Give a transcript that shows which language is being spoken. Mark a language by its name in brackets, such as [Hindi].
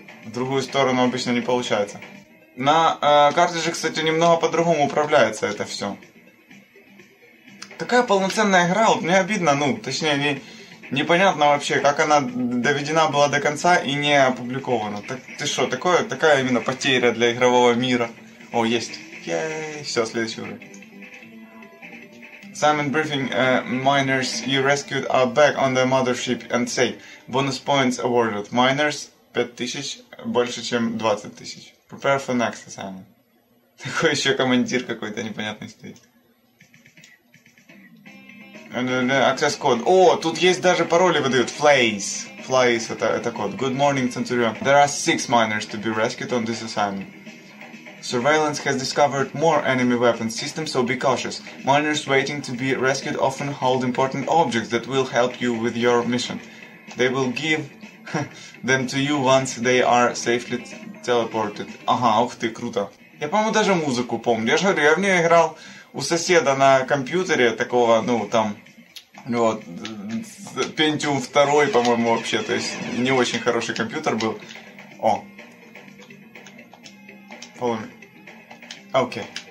[Russian] В другую сторону обычно не получается. На картридже, кстати, немного по-другому управляется это все. Такая полноценная игра, вот мне обидно, ну, точнее, непонятно вообще, как она доведена была до конца и не опубликована. Так ты что, такое, такая именно потеря для игрового мира. О, есть. Yay. Все, следующий уровень. [English] Simon Briefing, Miners, you rescued are back on the mothership and say, bonus points awarded. [Russian] Miners, 5000, больше, чем 20000. [English] Prepare for next assignment. [Russian] Такой еще командир какой-то непонятный стоит. [English] Access code. [Russian] О, тут есть даже пароли выдают. [English] Flays. Flays, [Russian] это код. [English] Good morning, Centurion. There are 6 miners to be rescued on this assignment. Surveillance has discovered more enemy weapon systems, so be cautious. Miners waiting to be rescued often hold important objects that will help you with your mission. They will give them to you once they are safely teleported. [Russian] Ага, ух ты, круто. Я, по-моему, даже музыку помню. Я же говорю, я в нее играл у соседа на компьютере такого, ну, там, вот, Pentium 2, по-моему, вообще. То есть, не очень хороший компьютер был. О. [English] Follow me. [Russian] Окей.